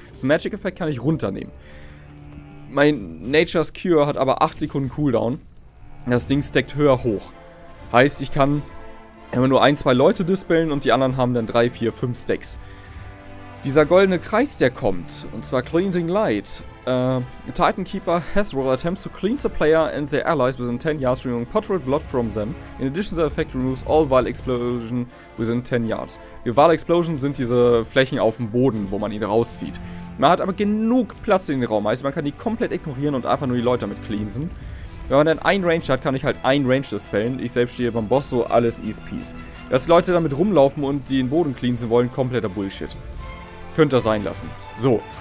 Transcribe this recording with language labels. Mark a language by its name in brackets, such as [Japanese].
[German] This Magic Effect kann ich runternehmen. Mein Nature's Cure hat aber 8 Sekunden Cooldown. Das Ding stackt höher hoch. Heißt, ich kann immer nur ein, zwei Leute dispellen und die anderen haben dann 3, 4, 5 Stacks. Dieser goldene Kreis, der kommt, und zwar Cleansing Light. [English] Titan Keeper has rolled attempts to cleanse the player and their allies within 10 yards, removing Putrid Blood from them. In addition, the effect removes all Vile Explosion within 10 yards. [German] Die Vile Explosion sind diese Flächen auf dem Boden, wo man ihn rauszieht. Man hat aber genug Platz in den Raum, heißt, man kann die komplett ignorieren und einfach nur die Leute damit cleansen. Wenn man dann einen Range hat, kann ich halt einen Range dispellen. Ich selbst stehe beim Boss so alles East Peace. Dass die Leute damit rumlaufen und den Boden cleansen wollen, kompletter Bullshit. Könnte sein lassen. So.